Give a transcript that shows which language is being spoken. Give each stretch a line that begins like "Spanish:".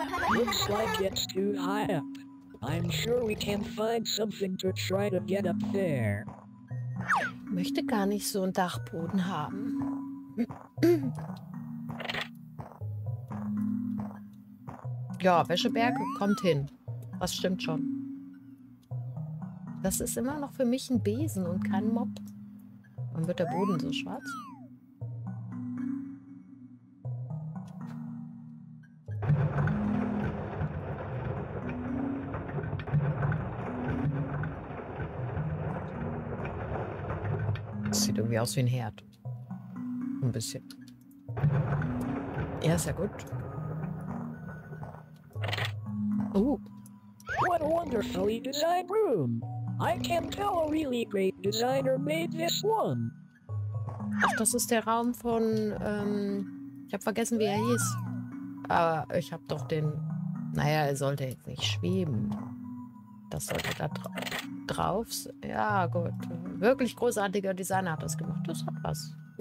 English: Looks like it's too high up. I'm sure we can find something to try to get up there.
German: Ich möchte gar nicht so einen Dachboden haben. Ja, Wäscheberg kommt hin. Das stimmt schon. Das ist immer noch für mich ein Besen und kein Mob. Wann wird der Boden so schwarz? Das sieht irgendwie aus wie ein Herd. Ein bisschen. Ja, sehr gut.
English: What a wonderfully designed room. I can tell a really great designer made this one.
German: Ach, das ist der Raum von, ich habe vergessen, wie er hieß. Aber ich habe doch den, naja, er sollte jetzt nicht schweben. Das sollte da drauf, ja gut. Wirklich großartiger Designer hat das gemacht, das hat was.